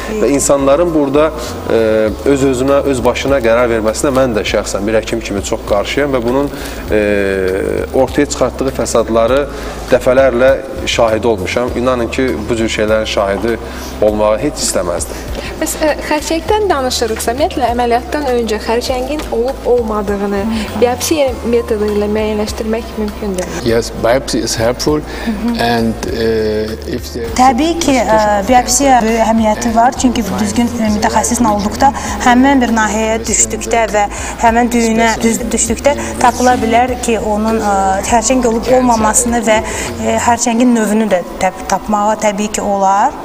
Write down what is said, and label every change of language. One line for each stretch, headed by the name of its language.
Azerbaijani: Və insanların burada öz-özünə, öz-başına qərar verməsinə mən də şəxsən bir həkim kimi çox qarşıyam və bunun ortaya çıxartdığı fəsadları dəfələrlə şahidi olmuşam. İnanın ki, bu cür şeylərin şahidi olmağı heç istəməzdim. Bəs xərçəngdən danışırıqsa, ümumiyyətlə, əməliyyatdan öncə xərçəngin olub-olmadığını biopsiya metodu ilə müəyyənləşdirmək mümkündür.
English: Yes, biopsy is helpful and if
Azerbaijani: Təbii ki, biopsiya böyük əhəmiyyəti var, çünki düzgün mütəxəssislə olduqda həmin bir nahiyəyə düşdükdə və həmin düyünə düşdükdə tapıla bilər ki, onun xərçəng olub-olmamasını və xərçəngin növünü də tapmağa təbii ki, olar.